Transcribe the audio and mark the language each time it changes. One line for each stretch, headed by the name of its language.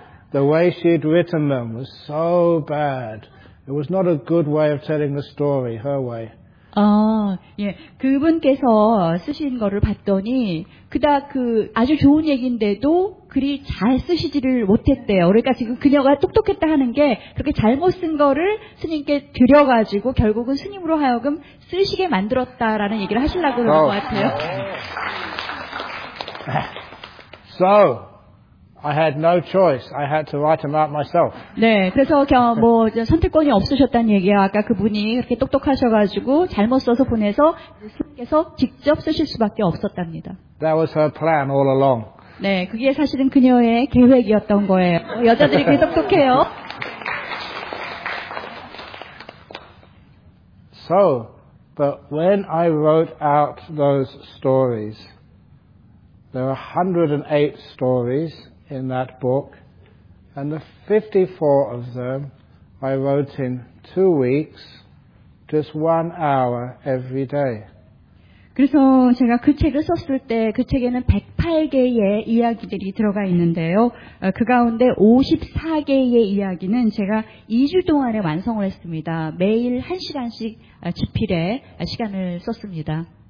English: The way she'd written them was so bad. It was not a good way of telling the story, her way.
Korean: 예. 그분께서 쓰신 거를 봤더니 그닥 그 아주 좋은 얘긴데도 그리 잘 쓰시지를 못했대요. 그러니까 지금 그녀가 똑똑했다 하는 게 그렇게 잘못 쓴 거를 스님께 드려가지고 결국은 스님으로 하여금 쓰시게 만들었다라는 얘기를 하시려고 그런 것 같아요.
English: So. I had no choice. I had to write them out myself.
Korean: 네, 그래서 선택권이 없으셨다는 얘기야. 아까 그분이 이렇게 똑똑하셔가지고 잘못 써서 보내서 스님께서 직접 쓰실 수밖에 없었답니다.
English: That was her plan all along.
Korean: 네, 그게 사실은 그녀의 계획이었던 거예요. 여자들이 그렇게 똑똑해요.
English: so, but when I wrote out those stories, there are 108 stories in that book, and the 54 of them I wrote in 2 weeks, just 1 hour every day.
Korean: 그래서 제가 그 책을 썼을 때 그 책에는 108개의 이야기들이 들어가 있는데요. 그 가운데 54개의 이야기는 제가 2주 동안에 완성을 했습니다. 매일 1시간씩 집필에 시간을 썼습니다.